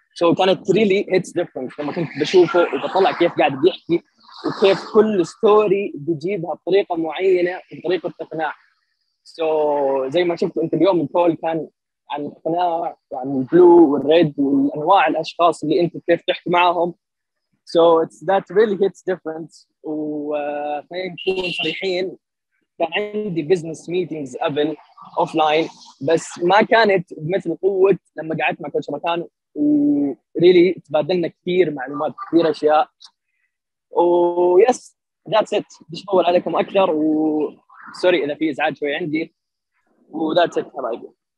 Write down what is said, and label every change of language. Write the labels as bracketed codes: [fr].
[ar] So كانت [en] really hits different [ar] لما كنت بشوفه وبطلع كيف قاعد بيحكي وكيف كل ستوري بيجيبها بطريقة معينة بطريقة اقناع. So زي ما شفت انت اليوم البول كان عن اقناع وعن البلو والريد والانواع الاشخاص اللي انت كيف تحكي معهم. [en] So it's that really hits different. [ar] وخلينا نكون صريحين كان عندي [en] business meetings [ar] قبل offline بس ما كانت بمثل قوة لما قعدت مع كوتش ركان وريلي تبادلنا كثير معلومات كثير اشياء. [en] ويس that's it. [ar] مش بطول عليكم اكثر وسوري اذا في ازعاج شوي عندي وذاتس ات حبايبي.